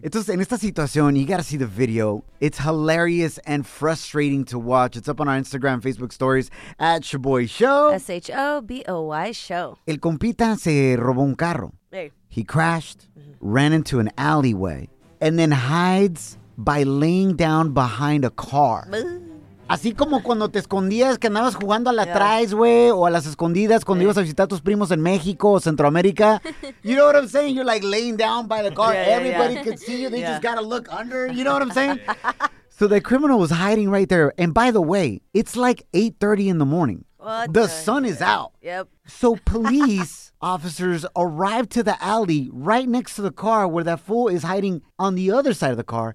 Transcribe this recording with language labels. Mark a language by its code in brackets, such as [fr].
[es] Entonces, en esta situación, [en] you got to see the video. It's hilarious and frustrating to watch. It's up on our Instagram, Facebook stories, at Shaboy Show. S-H-O-B-O-Y Show. [es] El compita se robó un carro. [en] Hey. He crashed, ran into an alleyway, and then hides by laying down behind a car. [es] Así como cuando te escondías, que andabas jugando a la traes, güey, o a las escondidas cuando ibas a visitar a tus primos en México o Centroamérica. [en] You know what I'm saying? You're like laying down by the car. Everybody could see you. They just gotta look under. You know what I'm saying? So the criminal was hiding right there. And by the way, it's like 8:30 in the morning. The sun is out. Yep. So police officers arrive to the alley right next to the car where that fool is hiding on the other side of the car.